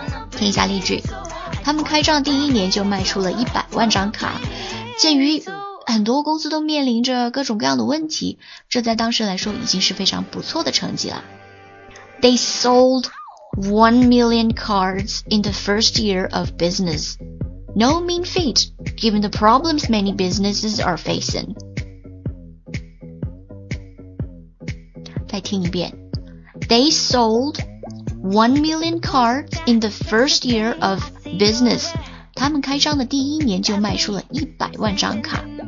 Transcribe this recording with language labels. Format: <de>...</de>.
<zh>听一下例句，他们开张第一年就卖出了100万张卡，鉴于很多公司都面临着各种各样的问题，这在当时来说已经是非常不错的成绩了。</zh> <en>They sold 1 million cards in the first year of business. no mean feat, given the problems many businesses are facing.</en> <zh>再听一遍。</zh> <en>They sold 1 million cards in the first year of business.</en> <zh>他们开张的第一年就卖出了100万张卡。</zh>